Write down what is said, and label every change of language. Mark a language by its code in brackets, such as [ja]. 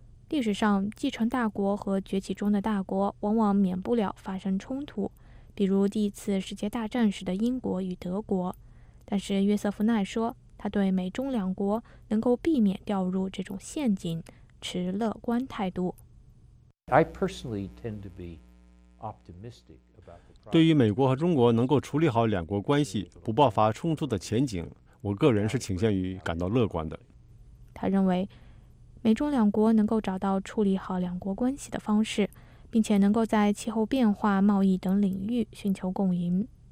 [zh] 历史上，继承大国和崛起中的大国往往免不了发生冲突，比如第一次世界大战时的英国与德国。但是约瑟夫奈说，他对美中两国能够避免掉入这种陷阱持乐观态度。 [en] I personally tend to be optimistic about the problem. [zh] 对于美国和中国能够处理好两国关系不爆发冲突的前景，我个人是倾向于感到乐观的。他认为美中两国能够找到处理好两国关系的方式，并且能够在气候变化、贸易等领域寻求共赢。